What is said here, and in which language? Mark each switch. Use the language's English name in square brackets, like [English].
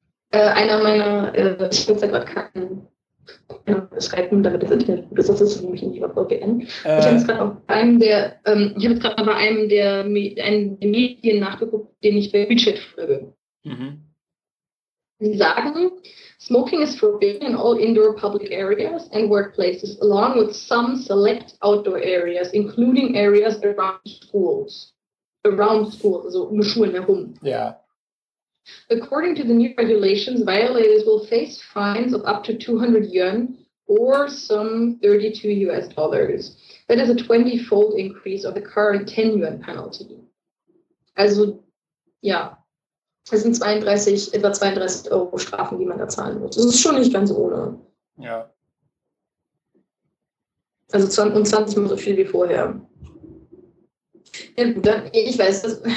[German] Einer meiner, ich habe jetzt gerade keinen Schreiben, damit das Internet gut ist, das ist nämlich in die VPN. Ich habe jetzt gerade bei einem der, ich habe jetzt gerade bei einem der einen Medien nachgeguckt, den ich bei WeChat folge. [English] Mhm. [German] Die sagen, [English] smoking is forbidden in all indoor public areas and workplaces, along with some select outdoor areas, including areas around schools. Around schools, [German] also um Schulen herum. Ja. Yeah. [English] According to the new regulations, violators will face fines of up to 200 yuan or some $32. That is a 20-fold increase of the current 10 yuan penalty. [German] Also, ja, es sind etwa 32 Euro Strafen, die man da zahlen muss. Das ist schon nicht ganz ohne. Ja. Also 20 mal so viel wie vorher. Ich weiß,